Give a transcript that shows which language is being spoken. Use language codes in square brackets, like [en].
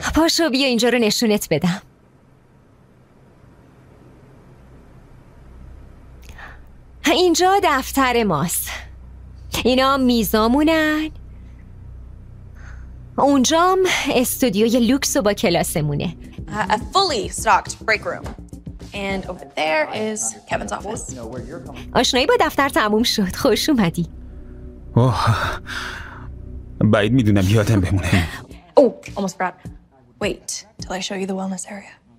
[fa] پاشو بیا اینجا رو نشونت بدم. اینجا دفتر ماست، اینا میزامونن، اونجام استودیوی لوکس و با کلاسمونه. [en] A fully stocked break room. And over there is Kevin's office. [fa] آشنایی با دفتر تموم شد، خوش اومدی. اوه، باید میدونم یادم بمونه. [en] Oh, almost forgot. Wait, till I show you the wellness area.